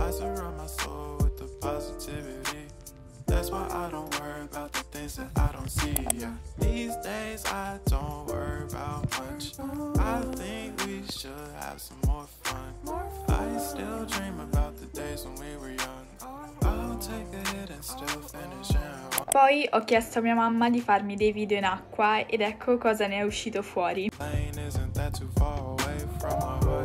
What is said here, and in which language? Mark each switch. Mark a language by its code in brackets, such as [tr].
[en] I surround my soul with the positivity. That's why I don't worry about the things that I don't see, yeah. These days I don't worry about much. I think we should have some more fun. I still dream about the days when we were young. I'll take a hit and still finish in one. [it] Poi ho chiesto a mia mamma di farmi dei video in acqua ed ecco cosa ne è uscito fuori. [en] Plane isn't that too far away from my.